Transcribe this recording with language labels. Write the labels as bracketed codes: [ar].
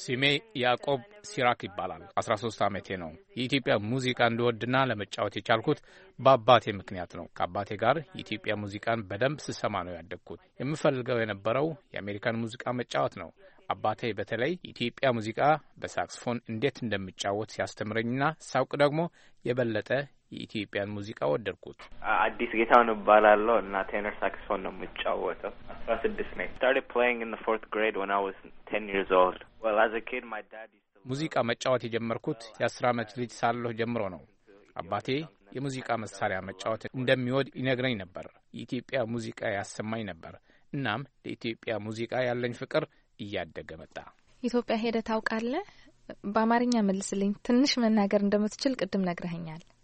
[am] ስሜ ያዕቆብ ሲራክ ይባላል። 13 ዓመቴ ነው። የኢትዮጵያ ሙዚቃ እንድወድና ለመጫወት የቻልኩት በአባቴ ምክንያት ነው። ከአባቴ ጋር የኢትዮጵያ ሙዚቃን በደንብ ስሰማ ነው ያደግኩት። የምፈልገው የነበረው የአሜሪካን ሙዚቃ መጫወት ነው። አባቴ በተለይ የኢትዮጵያ ሙዚቃ በሳክስፎን እንዴት እንደምጫወት ሲያስተምረኝና ሳውቅ ደግሞ የበለጠ የኢትዮጵያን ሙዚቃ ወደድኩት። አዲስ ጌታውን እባላለሁ እና ቴነር ሳክስፎን ነው የምጫወተው። 16 ነኝ። [en] Started playing in the 4th grade when I was 10 years old. Well, as a kid my dad used to [am] ሙዚቃ መጫወት የጀመርኩት የ10 ዓመት ልጅ ሳለሁ ጀምሮ ነው። አባቴ የሙዚቃ መሳሪያ መጫወት እንደሚወድ ይነግረኝ ነበር። የኢትዮጵያ ሙዚቃ ያሰማኝ ነበር። እናም ለኢትዮጵያ ሙዚቃ ያለኝ ፍቅር እያደገ መጣ። ኢትዮጵያ ሄደ ታውቃለህ? በአማርኛ መልስልኝ። ትንሽ መናገር እንደምትችል ቅድም ነግረኸኛል።